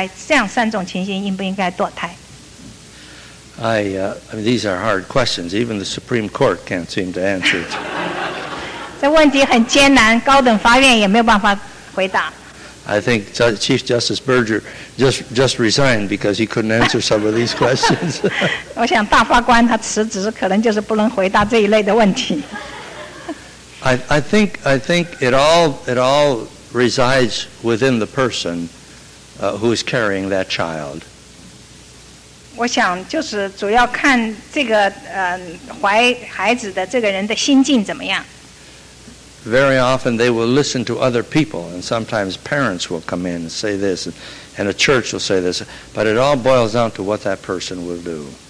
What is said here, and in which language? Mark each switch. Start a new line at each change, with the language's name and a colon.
Chinese: 下面的这些情形应不应该堕胎？第一，是因为强奸的缘故；第二，是因为避孕失败；第三种，是因为不贞洁的行为跟别人发生关系的结果，应不应该这样三种情形应不应该堕胎？
English: I mean, these are hard questions. Even the Supreme Court can't seem to answer it.
Chinese: 这问题很艰难，高等法院也没有办法回答。
English: I think Chief Justice Berger just resigned because he couldn't answer some of these questions.
Chinese: 我想大法官他辞职，可能就是不能回答这一类的问题。
English: I think it all resides within the person who is carrying that child.
Chinese: 我想就是主要看这个怀孩子的这个人的心境怎么样。
English: Very often they will listen to other people, and sometimes parents will come in and say this, and a church will say this, but it all boils down to what that person will do.